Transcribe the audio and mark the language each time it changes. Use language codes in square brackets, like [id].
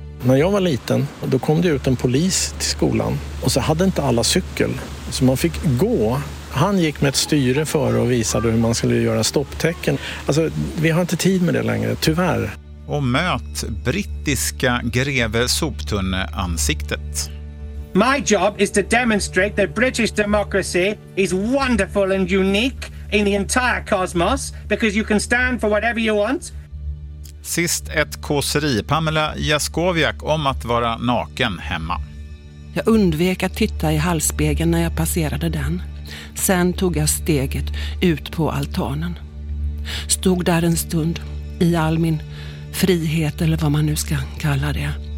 [sv] När jag var liten, då kom det ut en polis till skolan. Och så hade inte alla cykel, så man fick gå. Han gick med ett styre för och visade hur man skulle göra stopptecken. Alltså, vi har inte tid med det längre, tyvärr. Och möt brittiska greve soptunneansiktet. [en] My job is to demonstrate that British democracy is wonderful and unique in the entire cosmos because you can stand for whatever you want. [sv] Sist ett kåseri, Pamela Jaskowiak, om att vara naken hemma. Jag undvek att titta i hallspegeln när jag passerade den. Sen tog jag steget ut på altanen. Stod där en stund i all min frihet, eller vad man nu ska kalla det.